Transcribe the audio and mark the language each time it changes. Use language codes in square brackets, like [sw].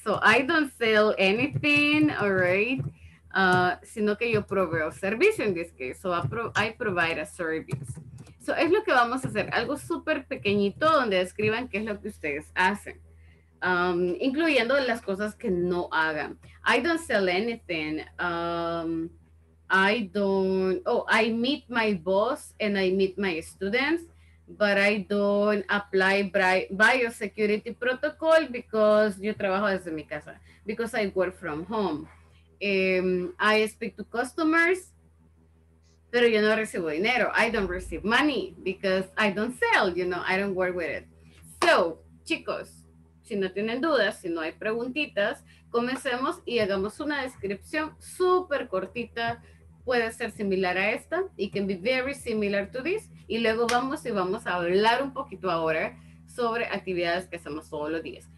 [en] So I don't sell anything. All right. [es] Sino que yo proveo servicio en [en] this case. So I provide a service. [es] So, es lo que vamos a hacer, algo súper pequeñito donde describan qué es lo que ustedes hacen, incluyendo las cosas que no hagan. [en] I don't sell anything. I meet my boss and I meet my students, but I don't apply biosecurity protocol because [es] yo trabajo desde mi casa, [en] because I work from home. I speak to customers. [es] Pero yo no recibo dinero. [en] I don't receive money because I don't sell, you know, I don't work with it. [es] So, chicos, si no tienen dudas, si no hay preguntitas, comencemos y hagamos una descripción súper cortita puede ser similar a esta. [en] It can be very similar to this. [es] Y luego vamos a hablar un poquito ahora sobre actividades que hacemos todos los días.